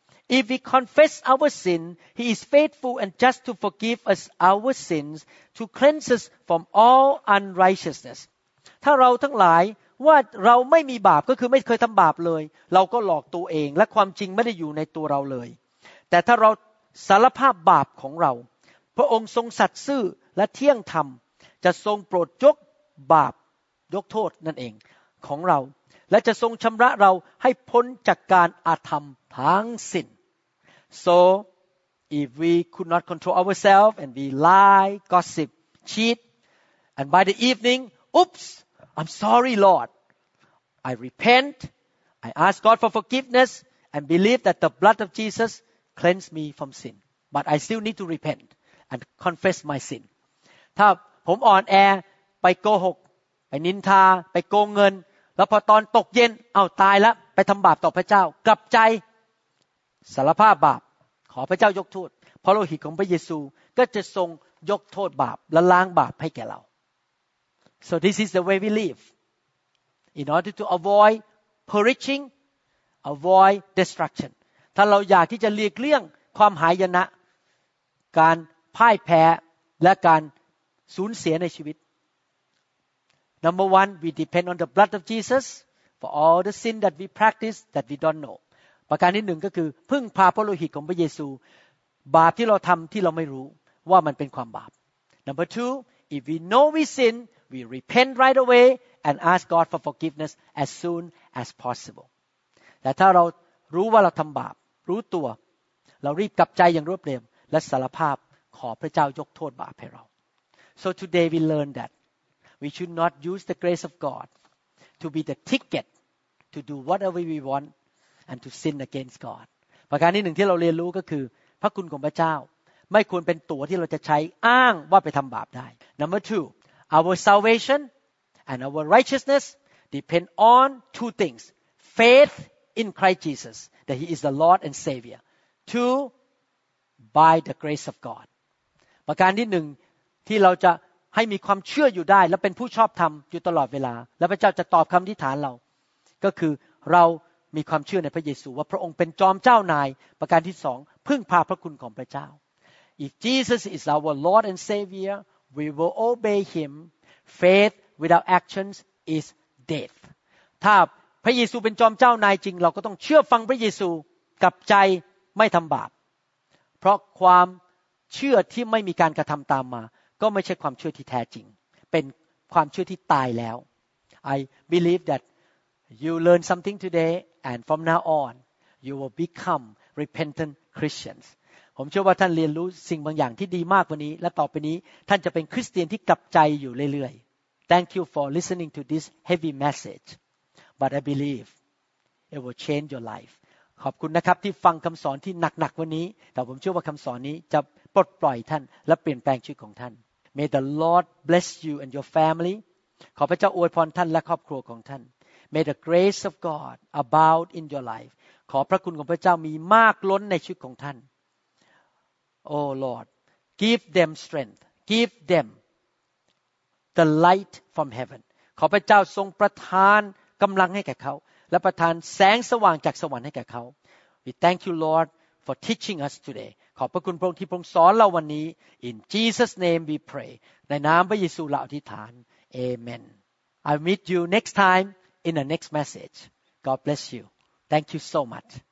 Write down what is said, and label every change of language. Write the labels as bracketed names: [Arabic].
[English] If we confess our sin, He is faithful and just to forgive us our sins, to cleanse us from all unrighteousness. [Thai] ถ้าเราทั้งหลายว่าเราไม่มีบาปก็คือไม่เคยทำบาปเลยเราก็หลอกตัวเองและความจริงไม่ได้อยู่ในตัวเราเลยแต่ถ้าเราสารภาพบาปของเราพระองค์ทรงสัตย์ซื่อและเที่ยงธรรมจะทรงโปรดยกบาปยกโทษนั่นเองของเราและจะทรงชำระเราให้พ้นจากการอาธรรมทั้งสิ้น [English] So if we could not control ourselves and we lie, gossip, cheat, and by the evening, oops, I'm sorry, Lord. I repent. I ask God for forgiveness and believe that the blood of Jesus cleansed me from sin. But I still need to repent and confess my sin. [Thai] ถ้าผมอ่อนแอไปโกหกไปนินทาไปโกงเงินแล้วพอตอนตกเย็นเอ้าตายแล้วไปทำบาปต่อพระเจ้ากลับใจสารภาพบาปขอพระเจ้ายกโทษเพราะโลหิตของพระเยซูก็จะทรงยกโทษบาปและล้างบาปให้แก่เรา [English] So this is the way we live in order to avoid perishing avoid destruction [Thai] ถ้าเราอยากที่จะเลี่ยงเลี่ยงความหายนะการพ่ายแพ้และการสูญเสียในชีวิต [English] Number one, we depend on the blood of Jesus for all the sin that we practice that we don't know. [Thai] ประการที่หนึ่งก็คือพึ่งพาพระโลหิตของพระเยซูบาปที่เราทำที่เราไม่รู้ว่ามันเป็นความบาป [English] Number two, if we know we sin, we repent right away and ask God for forgiveness as soon as possible. [Thai] แต่ถ้าเรารู้ว่าเราทำบาปรู้ตัวเรารีบกลับใจอย่างรวดเร็วและสารภาพขอพระเจ้ายกโทษบาปให้เรา [English] So today we learn thatWe should not use the grace of God to be the ticket to do whatever we want and to sin against God. [Thai] ประการที่หนึ่งที่เราเรียนรู้ก็คือพระคุณของพระเจ้าไม่ควรเป็นตัวที่เราจะใช้อ้างว่าไปทำบาปได้ [English] Number two, our salvation and our righteousness depend on two things: faith in Christ Jesus that He is the Lord and Savior. Two, by the grace of God. [Thai] ประการที่หนึ่งที่เราจะให้มีความเชื่ออยู่ได้และเป็นผู้ชอบธรรมอยู่ตลอดเวลาและพระเจ้าจะตอบคำอธิษฐานเราก็คือเรามีความเชื่อในพระเยซูว่าพระองค์เป็นจอมเจ้านายประการที่สองพึ่งพาพระคุณของพระเจ้า [English] If Jesus is our Lord and Savior we will obey Him faith without actions is dead [Thai] ถ้าพระเยซูเป็นจอมเจ้านายจริงเราก็ต้องเชื่อฟังพระเยซูกับใจไม่ทำบาปเพราะความเชื่อที่ไม่มีการกระทำตามมาก็ไม่ใช่ความเชื่อที่แท้จริงเป็นความเชื่อที่ตายแล้ว [English] I believe that you learn something today and from now on you will become repentant Christians [Thai] ผมเชื่อว่าท่านเรียนรู้สิ่งบางอย่างที่ดีมากวันนี้และต่อไปนี้ท่านจะเป็นคริสเตียนที่กลับใจอยู่เรื่อย [English] ๆ Thank you for listening to this heavy message but I believe it will change your life [Thai] ขอบคุณนะครับที่ฟังคำสอนที่หนักๆวันนี้แต่ผมเชื่อว่าคำสอนนี้จะปลดปล่อยท่านและเปลี่ยนแปลงชีวิตของท่าน [English] May the Lord bless you and your family [Thai] ขอพระเจ้าอวยพรท่านและครอบครัวของท่าน [English] May the grace of God abound in your life [Thai] ขอพระคุณของพระเจ้ามีมากล้นในชีวิตของท่าน [English] Oh Lord give them strength give them the light from heaven [Thai] ขอพระเจ้าทรงประทานกำลังให้แก่เขาและประทานแสงสว่างจากสวรรค์ให้แก่เขา [English] We thank you Lord for teaching us today [Thai] ขอบพระคุณพระองค์ที่พระองค์สอนเราวันนี้ [English] In Jesus name we pray [Thai] ในนามพระเยซูเราอธิษฐาน [English] Amen I'll meet you next time in the next message God bless you Thank you so much